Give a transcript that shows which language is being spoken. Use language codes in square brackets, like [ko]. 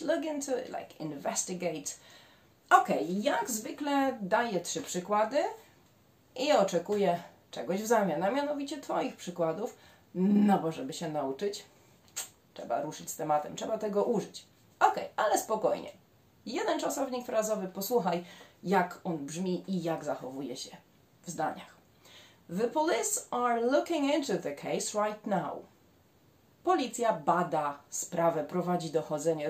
[en] Look into, like investigate. [pl] Okej, jak zwykle daję trzy przykłady i oczekuję czegoś w zamian, a mianowicie Twoich przykładów, no bo żeby się nauczyć, trzeba ruszyć z tematem, trzeba tego użyć. Okej, ale spokojnie. Jeden czasownik frazowy, posłuchaj, jak on brzmi i jak zachowuje się w zdaniach. [en] The police are looking into the case right now. [pl] Policja bada sprawę, prowadzi dochodzenie.